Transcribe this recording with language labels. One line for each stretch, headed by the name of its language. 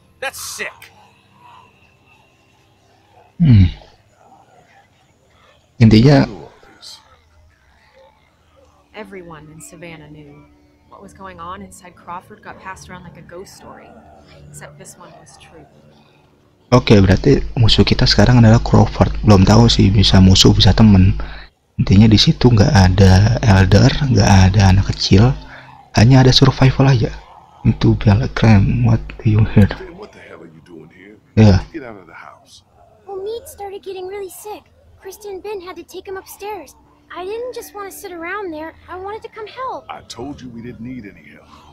English: That's sick.
Indonesian: Intinya,
English: everyone in Savannah knew. What was going on inside Crawford got passed around like a ghost story, except this one was true.
Indonesian: Okay, berarti musuh kita sekarang adalah Crawford. Belum tahu sih, bisa musuh, bisa teman. Intinya di situ nggak ada elder, nggak ada anak kecil, hanya ada survival aja. Itu bela krim.
English: What do you hear? What the hell are you doing here? Yeah. Get out of the house. Well, Meat started getting really sick. Kristen and Ben had to take him upstairs. I didn't just want to sit around there. I wanted to come help. I told you we didn't need any help.